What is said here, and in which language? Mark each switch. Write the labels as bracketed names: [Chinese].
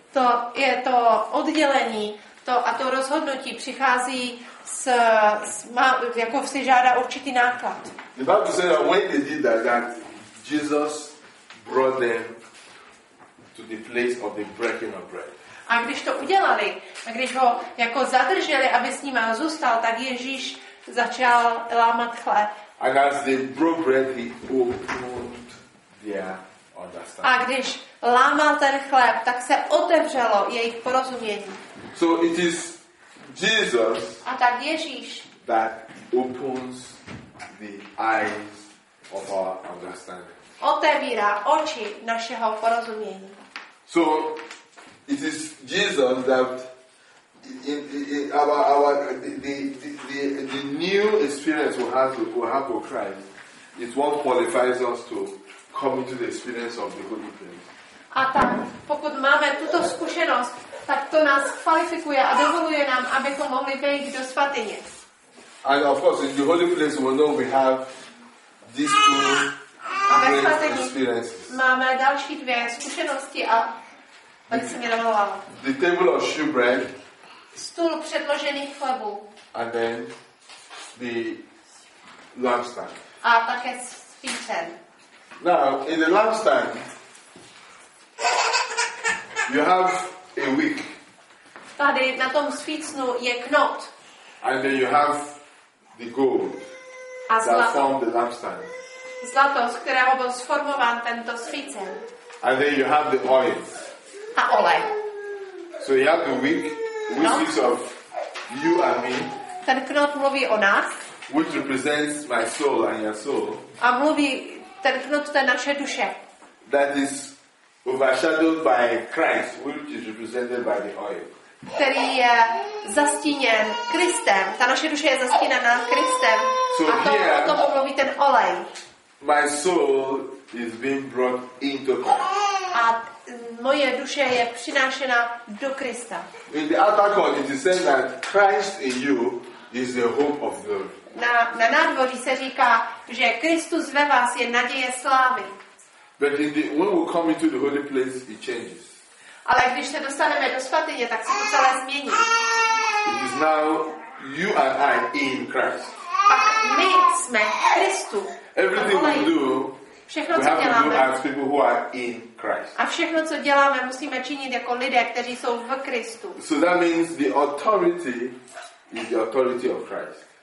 [Czech] To je to oddělení, to a to rozhodnutí přichází s má, jako si žádá určitý náklad. [English] The Bible says that when they did that, Jesus brought them to the place of the breaking of bread. [Czech] A když to udělali, a když ho jako zadrželi, aby s ním zůstal, tak Ježíš začal lámat chléb. [English] And as they broke bread, he opened their understanding. [Czech] A když lámal ten chléb, tak se otevřelo jejich porozumění. [English] So it is Jesus. [Czech] A tak Ježíš. [English] That opens the eyes of our understanding. [Czech] Otevírá oči našeho porozumění. [English] So it is Jesus that the new experience we have with Christ is what qualifies us to come into the experience of the Holy Place. [Czech] A tak, pokud máme tuto zkušenost, tak to nás kvalifikuje a dovoluje nám, abychom mohli vejít do svatyně. [English] And of course, in the Holy Place, we know we have these two great experiences. [Czech] Máme další dvě zkušenosti a [English] the table of shewbread. [Czech] Stůl předložených chlebů. [English] And then the lampstand. [Czech] A také svícen. [English] Now in the lampstand, you have a wick. [Czech] Tady na tom svícnu je knot. [English] And then you have the gold that formed the lampstand. [Czech] Zlato, z kterého byl sformován tento svícen. [English] And then you have the oil. [Czech] A olej. [English] So you have the wick, which speaks of you and me. [Czech] Ten knot mluví o nás. [English] Which represents my soul and your soul. [Czech] A mluví ten knot, to je naše duše. [English] That is overshadowed by Christ, which is represented by the oil. [Czech] Který je zastíněn Kristem. Ta naše duše je zastíněna Kristem. [English] So [Czech] a to, [English] here, [Czech] o tom mluví ten olej. [English] My soul is being brought into Christ. [Czech] A moje duše je přinášena do Krista. [English] In the altar call, it is said that Christ in you is the hope of glory. [Czech] Na nádvoří se říká, že Kristus ve vás je naděje slávy. [English] But in the, when we come into the holy place, it changes. [Czech] Ale když se dostaneme do svatyně, tak se to celé změní. [English] It is now you and I in Christ. [Czech] Pak my jsme Kristu. [English] Everything we do, [Czech] všechno, [English] we [Czech] co děláme, [English] have to do as people who are in Christ. [Czech] A všechno, co děláme, musíme činit jako lidé, kteří jsou v Kristu. [English] So that means the authority is the authority of Christ.